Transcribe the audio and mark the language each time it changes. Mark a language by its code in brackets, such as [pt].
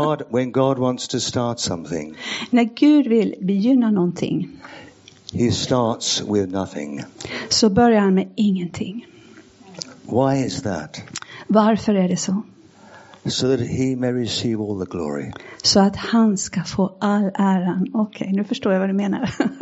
[en] When God wants to start something. [sv] När Gud vill begynna någonting. [en] He starts with nothing. [sv] Så börjar han med ingenting. [en] Why is that? [sv] Varför är det så? [en] So that he may receive all the glory. [sv] Så att han ska få all äran. Okej, nu förstår jag vad du menar.